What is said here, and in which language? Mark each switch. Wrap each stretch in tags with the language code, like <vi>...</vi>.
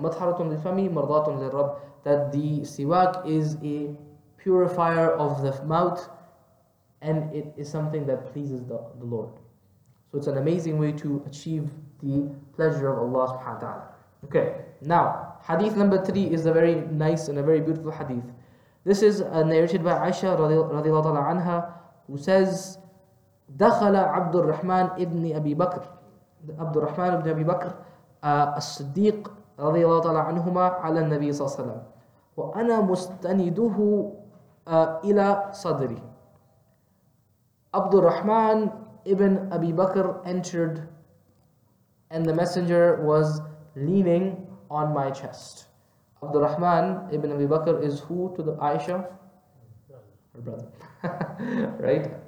<ar>Matharatun lil-fami, mardatun lil-rab.</ar> <en>That the siwak is a purifier of the mouth and it is something that pleases the Lord. So it's an amazing way to achieve the pleasure of Allah subhanahu wa ta'ala. Okay, now hadith number 3 is a very nice and a very beautiful hadith. This is narrated by Aisha radiallahu ta'ala anha, who says,</en> <ar>دخل عبد الرحمن ابن أبي بكر عبد الرحمن ابن أبي بكر الصديق radiallahu ta'ala anhuما على النبي صلى الله عليه وسلم وأنا مستنده إلى صدري.</ar> <en>عبد الرحمن ابن أبي بكر entered and the messenger was leaning on my chest. Abdul Rahman ibn Abi Bakr is who to the Aisha? Her brother. Right?</en>